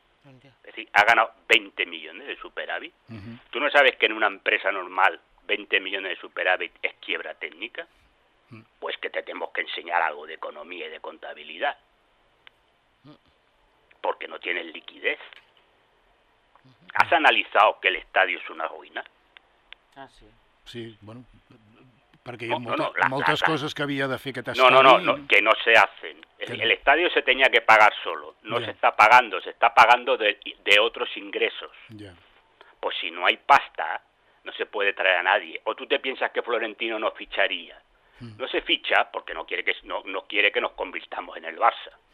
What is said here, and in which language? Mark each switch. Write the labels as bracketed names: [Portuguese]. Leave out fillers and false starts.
[Spanish] Es decir, ha ganado 20 millones de superávit. ¿Tú no sabes que en una empresa normal 20 millones de superávit es quiebra técnica? Pues que te tenemos que enseñar algo de economía y de contabilidad. Porque no tienes liquidez. ¿Has analizado que el estadio es una ruina? Ah, sí. [Catalan] Sí, bueno, perquè hi ha moltes coses que havia de fer aquest estadi. [Spanish] No, que no se hacen. El estadio se tenía que pagar solo. No se está pagando, se está pagando de otros ingresos. Pues si no hay pasta, no se puede traer a nadie. O tú te piensas que Florentino no ficharía. No se ficha porque no quiere que nos convirtamos en el Barça.